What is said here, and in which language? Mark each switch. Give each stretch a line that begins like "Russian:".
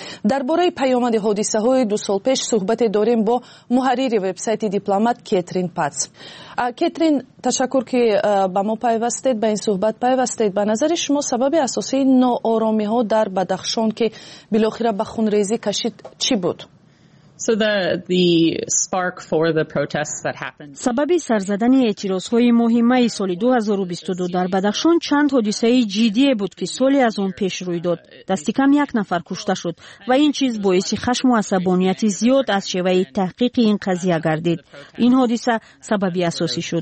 Persian: درباره پیامد حادثه های دو سال پیش صحبت داریم با محرر وبسایت دیپلمات کترین پاتس. کترین، تشکر که با ما پیوستید، با این صحبت پیوستید. به نظر شما سبب اساسی ناآرامی ها در بدخشان که بالاخره به خونریزی کشید چی بود؟
English: So the spark for the protests that happened.
Persian: سببی سرزدن اعتراض‌های ماهی می سال 2022 در بدخشان چند حادثه جدی بود که سالی از آن پیش روی داد. دست کم یک نفر کشته شد و این چیز باعث خشم و عصبانیت زیاد از شیوه تحقیق این قضیه گردید. این حادثه سببی اساسی شد.